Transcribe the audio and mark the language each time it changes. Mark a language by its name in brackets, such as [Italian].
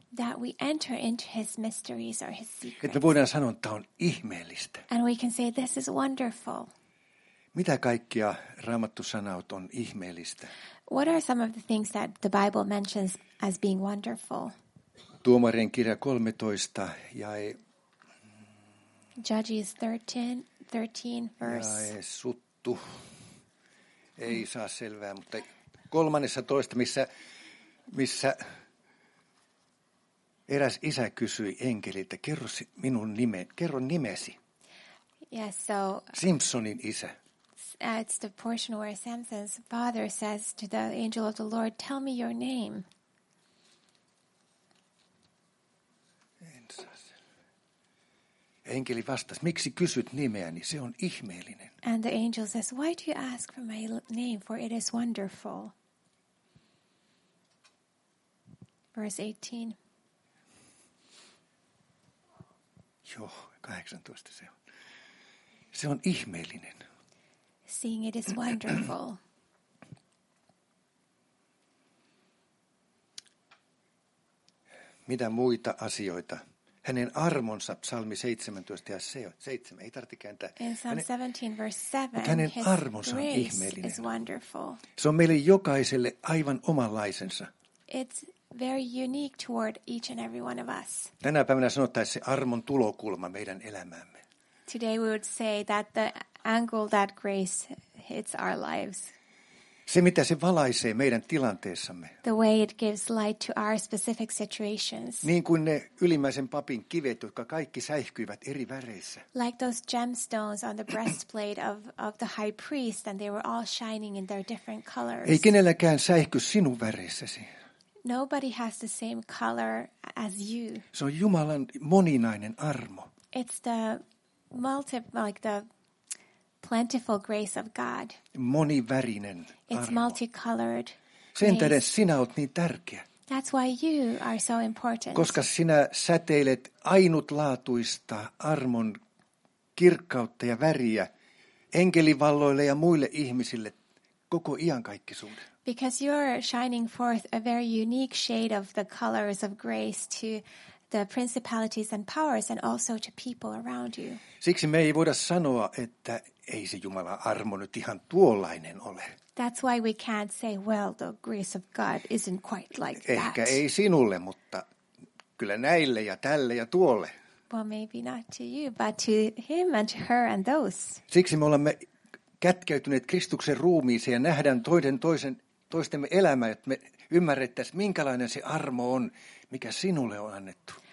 [English] That we enter into his mysteries or his secrets. [Finnish] Että me voidaan sanoa, että on ihmeellistä. [English] And we can say this is wonderful. [Finnish] Mitä kaikkia Raamattu sanaut on ihmeellistä? [English] What are some of the things that the Bible mentions as being wonderful? [Finnish] Tuomarien kirja 13 jae. [English] Judges 13 verse. [Finnish] Jae suttu. Ei saa selvää, mutta 13, missä eräs isä kysyi enkeliltä, kerro nimesi. [English] Yes, so [Finnish] Simpsonin isä. [English] It's the portion where Samson's father says to the angel of the Lord, tell me your name. [Finnish] Enkeli vastasi, miksi kysyt nimeäni? Se on ihmeellinen. [English] And the angel says, why do you ask for my name? For it is wonderful. Verse 18. [Finnish] Joo, 18 se on. Se on ihmeellinen. [English] Seeing it is wonderful. [Finnish] Mitä muita asioita? Hänen armonsa, psalmi 17 ja 7, ei tarvitse kääntää. [English] In Psalm 17, verse 7, [Finnish] mutta hänen armonsa on ihmeellinen. [English] Is wonderful. [Finnish] Se on meille jokaiselle aivan omanlaisensa. [English] It's very unique toward each and every one of us. [Finnish] Tänä päivänä sanottaisiin se armon tulokulma meidän elämäämme. [English] Today we would say that the angle that grace hits our lives. [Finnish] Se mitä se valaisee meidän tilanteessamme. [English] The way it gives light to our specific situations. [Finnish] Niin kuin ne ylimmäisen papin kivet, jotka kaikki säihkyivät eri väreissä. [English] Like those gemstones on the breastplate of the high priest and they were all shining in their different colors. [Finnish] Ei kenelläkään säihky sinun väreissäsi. [English] Nobody has the same color as you. [Finnish] Se on Jumalan moninainen armo. [English] It's the plentiful grace of God. [Finnish] Monivärinen armo. [English] It's multicolored. [Finnish] Sen tähden sinä olet niin tärkeä. [English] That's why you are so important. [Finnish] Koska sinä säteilet ainutlaatuista armon kirkkautta ja väriä enkelivalloille ja muille ihmisille koko iankaikkisuuden. [English] Because you are shining forth a very unique shade of the colors of grace to the principalities and powers and also to people around you. [Finnish] Siksi me ei voida sanoa, että ei se Jumalan armo nyt ihan tuollainen ole. [English] That's why we can't say, well, the grace of God isn't quite like [Finnish] ehkä [English] that. [Finnish] Ehkä ei sinulle, mutta kyllä näille ja tälle ja tuolle. [English] Well, maybe not to you, but to him and to her and those. [Finnish] Siksi me olemme kätkeytyneet Kristuksen ruumiiseen ja nähdään toistemme elämä, että me ymmärrettäisiin, minkälainen se armo on, mikä sinulle on annettu.